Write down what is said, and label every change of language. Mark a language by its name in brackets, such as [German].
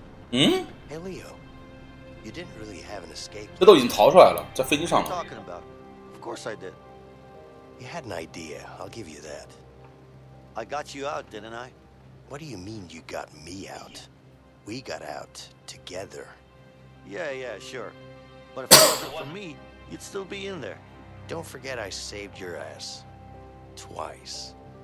[English] Hey Leo, you didn't really have an escape. [Chinese] 这都已经逃出来了，在飞机上了。 [English] Of course I did. You had an idea, I'll give you that. I got you out, didn't I? What do you mean you got me out? We got out together. Yeah, yeah, sure. But if it wasn't for me, you'd still be in there. Don't forget I saved your ass. Twice.